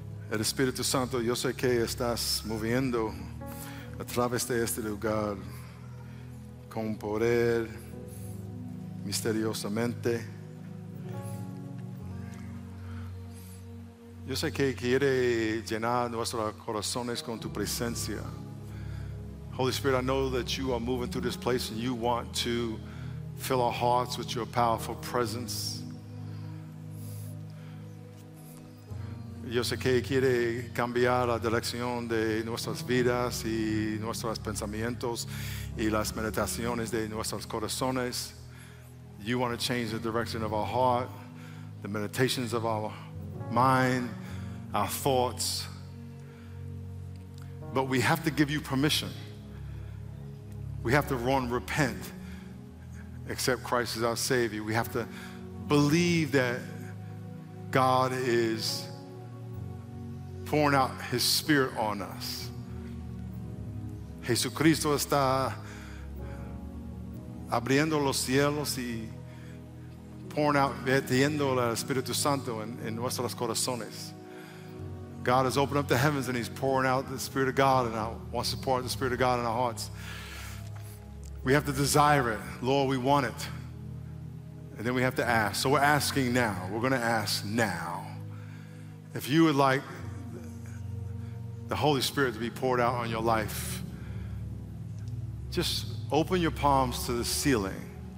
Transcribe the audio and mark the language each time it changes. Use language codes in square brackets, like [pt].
[es] El Espíritu Santo, yo sé que estás moviendo a través de este lugar con poder misteriosamente. Yo sé que quiere llenar nuestros corazones con tu presencia. [en] Holy Spirit, I know that you are moving through this place and you want to fill our hearts with your powerful presence. [es] Yo sé que quiere cambiar la dirección de nuestras vidas y nuestros pensamientos y las meditaciones de nuestros corazones. [en] You want to change the direction of our heart, the meditations of our mind, our thoughts. But we have to give you permission. We have to run, repent, accept Christ as our Savior. We have to believe that God is pouring out his Spirit on us. [es] Jesucristo está abriendo los cielos y [en] pouring out, [es] vertiendo el Espíritu Santo en nuestros corazones. [en] God has opened up the heavens and he's pouring out the Spirit of God and wants to pour out the Spirit of God in our hearts. We have to desire it. Lord, we want it. And then we have to ask. So we're asking now. We're going to ask now. If you would like the Holy Spirit to be poured out on your life, just open your palms to the ceiling.